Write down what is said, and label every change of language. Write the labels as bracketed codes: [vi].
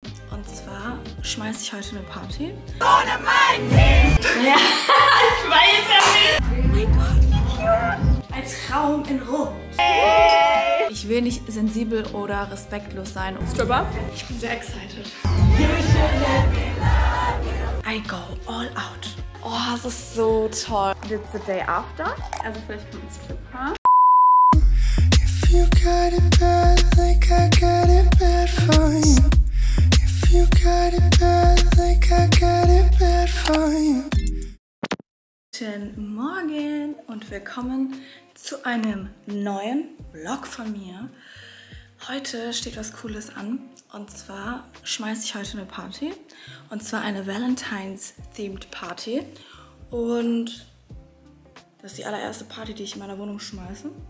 [de] Und zwar schmeiße ich heute eine Party. Ohne mein Team! Ja, ich weiß ja nicht. Oh mein Gott, wie cute. Als Raum in Rom. Hey. Ich will nicht sensibel oder respektlos sein. Stripper? Ich bin sehr excited. [en] You should let me love you. I go all out. [de] Oh, das ist so toll. [en] It's the day after. [de] Also vielleicht kommt ein Stripper. [en] If you got it bad, like I got it bad for you. You got it bad, like I got it bad for you. [de] Guten Morgen und willkommen zu einem neuen Vlog von mir. Heute steht was Cooles an und zwar schmeiße ich heute eine Party. Und zwar eine Valentine's-themed Party. Und das ist die allererste Party, die ich in meiner Wohnung schmeiße.